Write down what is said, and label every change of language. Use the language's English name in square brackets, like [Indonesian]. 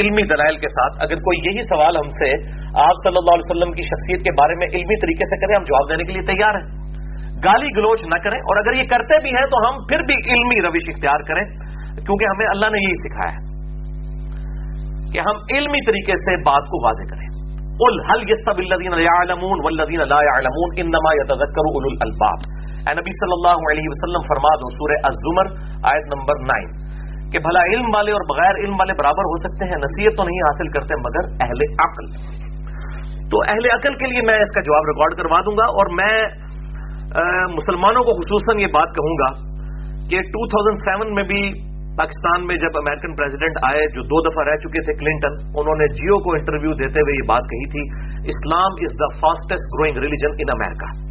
[Urdu] علمی دلائل کے ساتھ اگر کوئی یہی سوال ہم سے آپ صلی اللہ علیہ وسلم کی شخصیت کے بارے میں علمی طریقے سے کریں, ہم جواب دینے کے لیے تیار ہیں. گالی گلوچ نہ کریں, اور اگر یہ کرتے بھی ہیں تو ہم پھر بھی علمی روش اختیار کریں, کیونکہ ہمیں اللہ نے یہی سکھایا کہ ہم علمی طریقے سے بات کو واضح کریں. [Arabic] قل هل يستوي الذين يعلمون والذين لا يعلمون انما يتذكر اولو الالباب. [Urdu] اے نبی صلی اللہ علیہ وسلم فرما دو سورہ الزمر آیت نمبر 9 کہ بھلا علم والے اور بغیر علم والے برابر ہو سکتے ہیں, نصیحت تو نہیں حاصل کرتے مگر اہل عقل. تو اہل عقل کے لیے میں اس کا جواب ریکارڈ کروا دوں گا. اور میں مسلمانوں کو خصوصاً یہ بات کہوں گا کہ 2007 میں بھی پاکستان میں جب امریکن پریزیڈنٹ آئے جو دو دفعہ رہ چکے تھے کلنٹن, انہوں نے جیو کو انٹرویو دیتے ہوئے یہ بات کہی تھی, [English] Islam is the fastest growing religion in America.